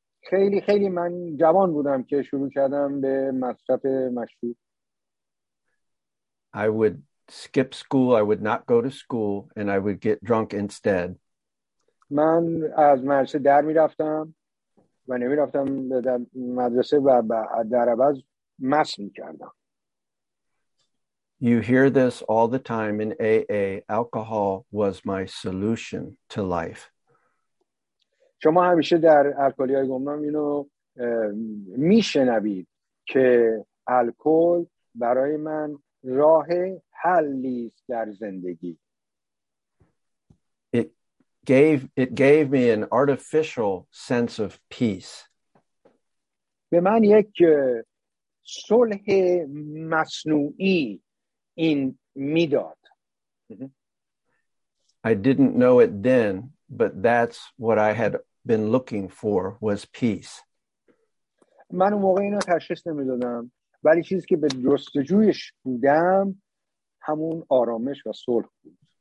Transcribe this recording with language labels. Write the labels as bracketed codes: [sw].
[fa] خیلی خیلی من جوان بودم که شروع کردم به مصرف مشروب. [en] I would skip school, I would not go to school, and I would get drunk instead. [fa] من از مدرسه در می رفتم و نمی رفتم به مدرسه و در عوض مست می کردم. [en] You hear this all the time in AA. Alcohol was my solution to life. [fa] شما همیشه در الکلی‌های گمنام اینو میشنوید که الکل برای من راه حلی است در زندگی. [en] It gave me an artificial sense of peace. [fa] به من یک صلح مصنوعی این میداد. [en] I didn't know it then, but that's what I had been looking for, was peace. [fa] من اون موقع اینو تشخیص نمیدادم، ولی چیزی که به جستجویش بودم همون آرامش و صلح بود.